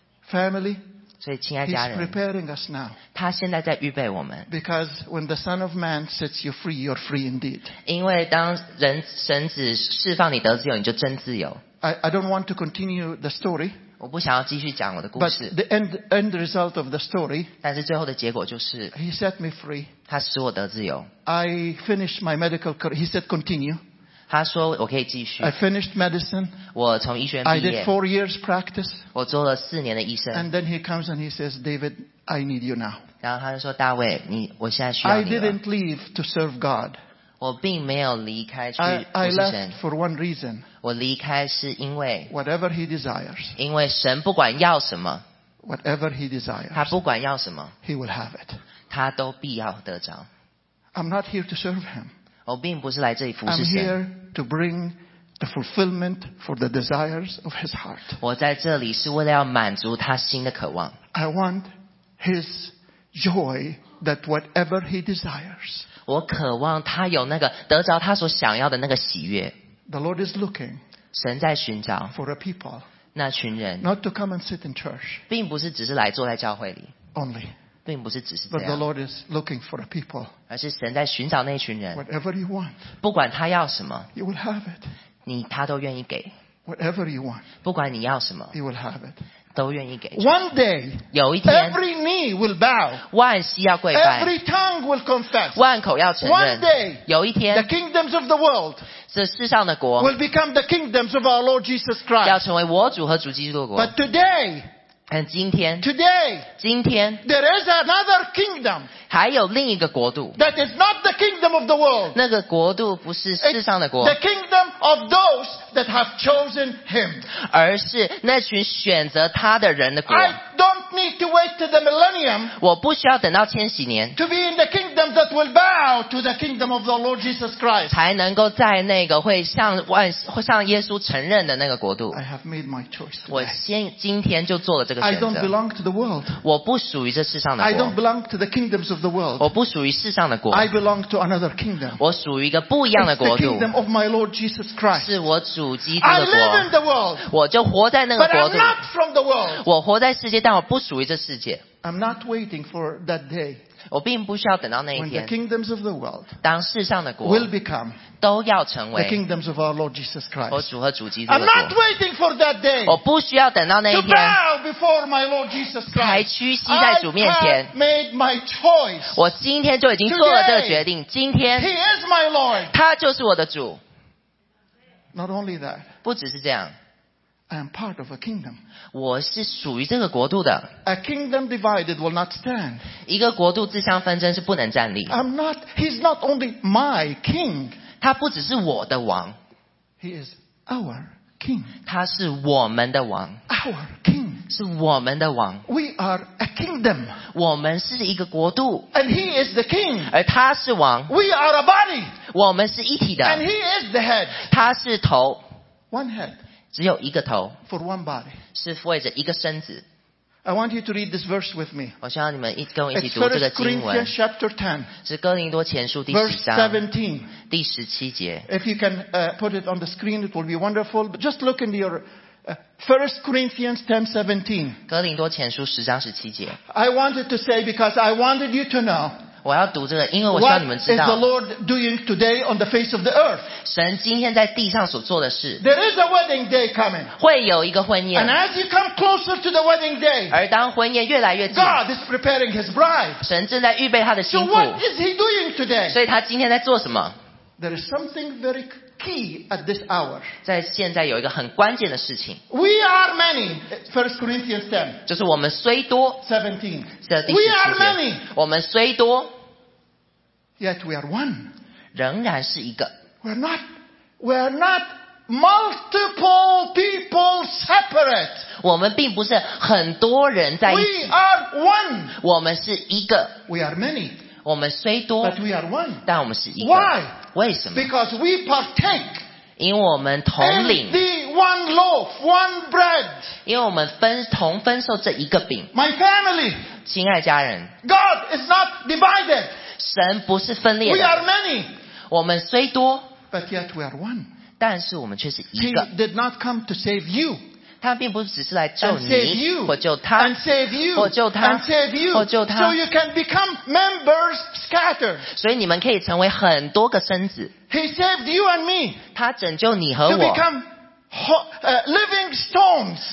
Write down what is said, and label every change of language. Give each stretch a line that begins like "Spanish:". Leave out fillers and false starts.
English: Family,
Chinese: 所以亲爱家人
English: He's preparing us now.
Chinese: 他现在在预备我们。
English: Because when the Son of Man sets you free, you're free indeed.
Chinese: 因为当人神子释放你得自由，你就真自由。
English: I don't want to continue the story.
Chinese: 我不想要继续讲我的故事。
English: But the end result of the story.
Chinese: 但是最后的结果就是
English: He set me free.
Chinese: 他使我得自由。
English: I finished my medical career. He said, continue.
Chinese: 他说我可以继续。
English: I finished medicine.
Chinese: 我从医学院毕业。
English: I did 4 years practice.
Chinese: 我做了四年的医生。
English: And then he comes and he says, David, I need you now.
Chinese: 然后他就说，大卫，你我现在需要你了。
English: I didn't leave to serve God.
Chinese: 我并没有离开去服
English: 侍神。I left for one reason.
Chinese: 我离开是因为。
English: Whatever he desires.
Chinese: 因为神不管要什么。
English: Whatever he desires.
Chinese: 他不管要什么。
English: He will have it.
Chinese: 他都必要得着。
English: I'm not here to serve him.
Chinese: 我并不是来这里服侍神。
English: I'm here to bring the fulfillment for the desires of his heart.
Chinese: 我在这里是为了要满足他心的渴望。
English: I want his joy that whatever he desires.
Chinese: 我渴望他有那个得着他所想要的那个喜悦。
English: The Lord is looking.
Chinese: 神在寻找。
English: For a people.
Chinese: 那群人。
English: Not to come and sit in church.
Chinese: 并不是只是来坐在教会里。
English: Only.
Chinese: 并不是只是这样。
English: But the Lord is looking for a people.
Chinese: 而是神在寻找那群人。
English: Whatever you want.
Chinese: 不管他要什么。
English: You will have it.
Chinese: 你他都愿意给。
English: Whatever you want.
Chinese: 不管你要什么。
English: You will have it.
Chinese: 都愿意给。
English: One day.
Chinese: 有一天。
English: Every knee will bow.
Chinese: 万膝要跪拜。
English: Every tongue will confess.
Chinese: 万口要承认。
English: One day.
Chinese: 有一天。
English: The kingdoms of the world.
Chinese: 这世上的国。
English: Will become the kingdoms of our Lord Jesus Christ.
Chinese: 要成为我主和主基督的国。
English: But today.
Chinese: 但今天
English: Today,
Chinese: 今天
English: there is another kingdom,
Chinese: 还有另一个国度
English: that is not the kingdom of the world,
Chinese: 那个国度不是世上的国
English: the kingdom of those that have chosen him,
Chinese: 而是那群选择他的人的国
English: I don't need to wait to the millennium,
Chinese: 我不需要等到千禧年
English: to be in the kingdom that will bow to the kingdom of the Lord Jesus Christ,
Chinese: 才能够在那个会 向耶稣承认的那个国度
English: I have made my choice today.
Chinese: 我先今天就做了这个
English: I don't belong to the world.
Chinese: 我不属于这世上的国。
English: I don't belong to the kingdoms of the world.
Chinese: 我不属于世上的国。
English: I belong to another kingdom.
Chinese: 我属于一个不一样的国度。
English: It's the kingdom of my Lord Jesus Christ.
Chinese: 是我主基督的国。
English: I live in the world.
Chinese: 我就活在那个国度。
English: But I'm not from the world.
Chinese: 我活在世界，但我不属于这世界。
English: I'm not waiting for that day.
Chinese: 我并不需要等到那一天。
English: When the kingdoms of the world
Chinese: 当世上的国
English: will become
Chinese: 都要成为
English: the kingdoms of our Lord Jesus Christ.
Chinese: 我主和主基督的
English: 国。I'm not waiting for that day.
Chinese: 我不需要等到那一天。
English: To bow before my Lord Jesus Christ.
Chinese: 才屈膝在主面前。
English: I have made my choice.
Chinese: 我今天就已经做了这个决定。今天
English: He is my Lord.
Chinese: 他就是我的主。
English: Not only that.
Chinese: 不只是这样。
English: I am part of a kingdom.
Chinese: 我是属于这个国度的。
English: A kingdom divided will not stand.
Chinese: 一个国度自相纷争是不能站立。
English: I'm not. He's not only my king.
Chinese: 他不只是我的王。
English: He is our king.
Chinese: 他是我们的王。
English: Our king.
Chinese: 是我们的王。
English: We are a kingdom.
Chinese: 我们是一个国度。
English: And he is the king.
Chinese: 而他是王。
English: We are a body.
Chinese: 我们是一体的。
English: And he is the head.
Chinese: 他是头。
English: One head.
Chinese: 只有一个头
English: For one body.
Chinese: 是为着一个身子
English: I want you to read this verse with me.
Chinese: 我希望你们跟我一起读这个经文
English: Corinthians chapter 10,
Chinese: 是哥林多前书第十章
English: verse 17,
Chinese: 第十七节
English: If you can put it on the screen, it will be wonderful. But just look into your 1 Corinthians 10, 17.
Chinese: 哥林多前书十章十七节
English: I wanted to say because I wanted you to know What is the Lord doing today on the face of the earth?
Chinese: 神今天在地上所做的事。
English: There is a wedding day coming.
Chinese: 会有一个婚宴。
English: And as you come closer to the wedding day,
Chinese: 而当婚宴越来越近。
English: God is preparing his bride.
Chinese: 神正在预备他的新妇。
English: So what is he doing today?
Chinese: 所以他今天在做什么?
English: There is something very key at this hour.
Chinese: 在现在有一个很关键的事情。
English: We are many. 1 Corinthians 10.
Chinese: 就是我们虽多。
English: 17.
Chinese: 这第十七节。
English: We are many.
Chinese: 我们虽多。
English: Yet we are one.
Chinese: 仍然是一个。
English: We are not We are not multiple people separate.
Chinese: 我们并不是很多人在一起。
English: We are one.
Chinese: 我们是一个。
English: We are many.
Chinese: 我们虽多。
English: But we are one.
Chinese: 但我们是一个。
English: Why?
Chinese: 为什么？
English: Because we partake.
Chinese: 因为我们同领。
English: And the one loaf, one bread.
Chinese: 因为我们分同分受这一个饼。
English: My family.
Chinese: 亲爱家人。
English: God is not divided.
Chinese: 神不是分裂的。
English: We are many.
Chinese: 我们虽多。
English: But yet we are one.
Chinese: 但是我们却是一个。
English: He did not come to save you.
Chinese: 他并不只是来救你
English: save you,
Chinese: 或救他
English: and save you,
Chinese: 或救他
English: and save you,
Chinese: 或救他
English: so you can become members scattered.
Chinese: 所以你们可以成为很多个身子。
English: He saved you and me.
Chinese: 他拯救你和我。
English: To become living stones.